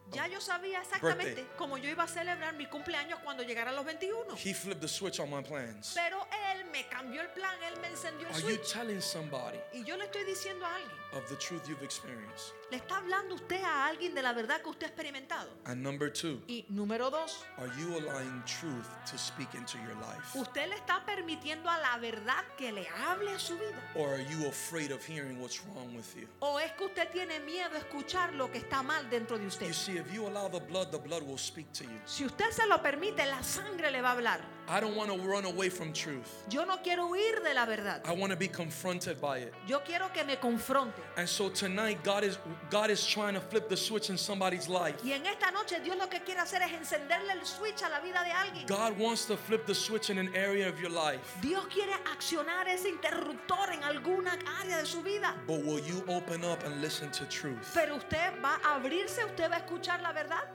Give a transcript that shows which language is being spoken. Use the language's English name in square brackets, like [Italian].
[Spanish] Ya yo sabía exactamente cómo yo iba a celebrar mi cumpleaños cuando llegara a los 21. [English] He flipped the switch on my plans. [Spanish] Pero él me cambió el plan, él me encendió el switch. [English] Are you telling somebody? [Spanish] Y yo le estoy diciendo a alguien. [English] Of the truth you've experienced. [Spanish] Le está hablando usted a alguien de la verdad que usted ha experimentado. [English] And number two. [Spanish] Y número dos. [English] Are you allowing truth to speak into your life? [Spanish] ¿Usted le está permitiendo a la verdad que le hable a su vida? [English] Or are you afraid of hearing what's wrong with you? [Spanish] ¿O es que usted tiene miedo a escuchar lo que está mal dentro de usted? [English] If you allow the blood will speak to you. [Spanish] Si usted se lo permite, la sangre le va a hablar. [English] I don't want to run away from truth. [Spanish] Yo no quiero huir de la verdad. [English] I want to be confronted by it. [Spanish] Yo quiero que me confronte. [English] And so tonight God is trying to flip the switch in somebody's life. [Spanish] Y en esta noche Dios lo que quiere hacer es encenderle el switch a la vida de alguien. [English] God wants to flip the switch in an area of your life. [Spanish] Dios quiere accionar ese interruptor en alguna área de su vida. [English] But will you open up and listen to truth? [Spanish] Pero usted va a abrirse, usted va a escuchar la verdad.